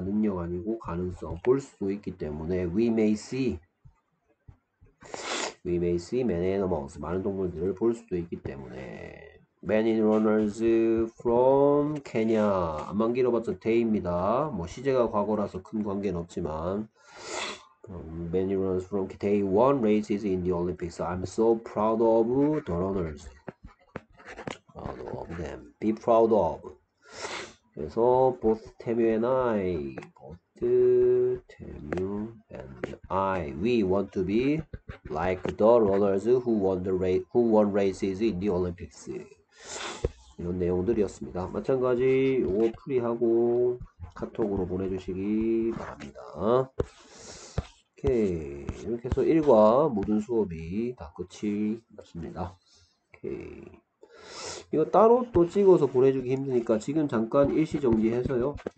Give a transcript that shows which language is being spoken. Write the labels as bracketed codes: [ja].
[ko] 능력 아니고 가능성. 볼 수도 있기 때문에 [en] we may see. We may see many animals. [ko] 많은 동물들을 볼 수도 있기 때문에. [en] Many runners from Kenya. [ko] 안만 길어봤자 [en] day입니다. [ko] 뭐 시제가 과거라서 큰 관계는 없지만. [en] Many runners from day one races in the Olympics. I'm so proud of the runners. Proud of them. Be proud of. [ko] 그래서 [en] both Temu and I, both Temu and I, we want to be like the runners who won races in the Olympics. [ko] 이런 내용들이었습니다. 마찬가지 요거 풀이하고 카톡으로 보내주시기 바랍니다. 오케이, 이렇게 해서 1과 모든 수업이 다 끝이 났습니다. 오케이. 이거 따로 또 찍어서 보내주기 힘드니까 지금 잠깐 일시정지해서요.